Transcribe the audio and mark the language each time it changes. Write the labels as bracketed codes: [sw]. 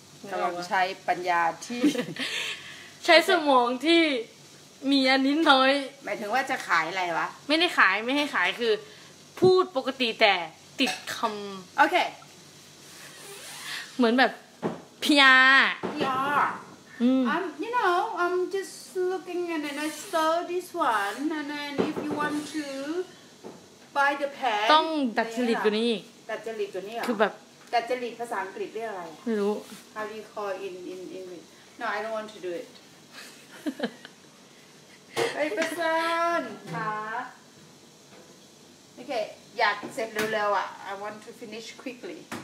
[th] กำลังใช้ปัญญาที่ใช้สมองที่มีอันนิดน้อย หมายถึงว่าจะขายอะไรวะ ไม่ได้ขายไม่ให้ขายคือพูดปกติแต่ติดคำ โอเค เหมือนแบบพยา [en] พยาyou know I'm just looking and then I saw this one and then if you want to buy the pen [th] ต้องดัดจริตกว่านี้อีก ดัดจริตกว่านี้ คือแบบ ดัดจริตภาษาอังกฤษเรียกอะไร ไม่รู้ [en] How do you call in English? No, I don't want to do it. Hey, person. Okay, yeah, [th] เสร็จเร็วๆอ่ะ [en] I want to finish quickly.